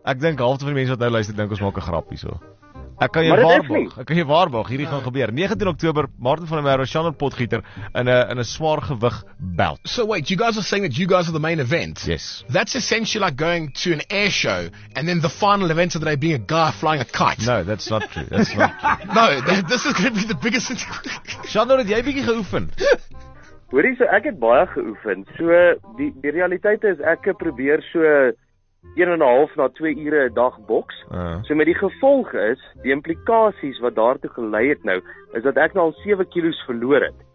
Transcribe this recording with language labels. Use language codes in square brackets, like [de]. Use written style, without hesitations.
[af] Ek dink half van die mense wat nou luister dink ons maak 'n grap hierso. Ek kan jou waarborg. Ek kan jou waarborg, hierdie gaan gebeur. 19 Oktober, Martin van der Merwe, Shandor Potgieter in 'n swaar gewig belt. [en] So wait, you guys are saying that you guys are the main event. Yes. That's essentially like going to an air show and then the final event of the day being a guy flying a kite. No, that's not true. That's not true. No, this is going to be the biggest thing. [af] Shandor, het jy bietjie geoefen? Hoorie, so ek het baie geoefen. So die realiteit is ek probeer so 1.5 na 2 ure 'n dag boks. So met die gevolg is, die implikasies wat daartoe gelei het nou, is dat ek nou al 7 kilos verloor het.